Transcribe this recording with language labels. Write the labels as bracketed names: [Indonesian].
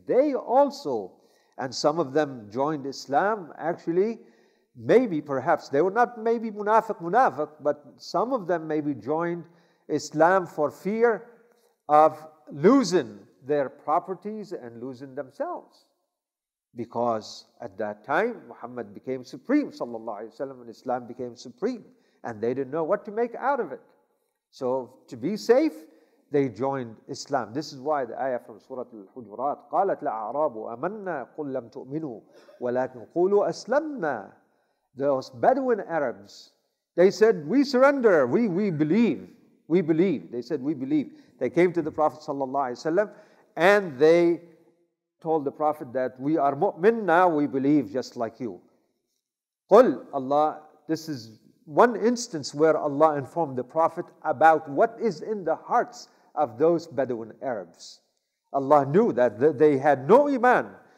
[English] They also, and some of them joined Islam actually, maybe, perhaps, they were not maybe munafiq, but some of them maybe joined Islam for fear of losing their properties and losing themselves. Because at that time, Muhammad became supreme, sallallahu alayhi wa sallam, and Islam became supreme, and they didn't know what to make out of it. So to be safe, they joined Islam. This is why the ayah from Surah Al-Hujurat, [Arabic] قَالَتْ لَعَرَابُ أَمَنَّا قُلْ لَمْ تُؤْمِنُوا وَلَكِنْ قُولُوا أَسْلَمْنَا. [English] Those Bedouin Arabs, they said, we surrender, we believe, we believe. They said, we believe. They came to the Prophet sallallahu alaihi wasallam and they told the Prophet that we are mu'min now, we believe just like you. Qul Allah, this is one instance where Allah informed the Prophet about what is in the hearts of those Bedouin Arabs. Allah knew that they had no iman.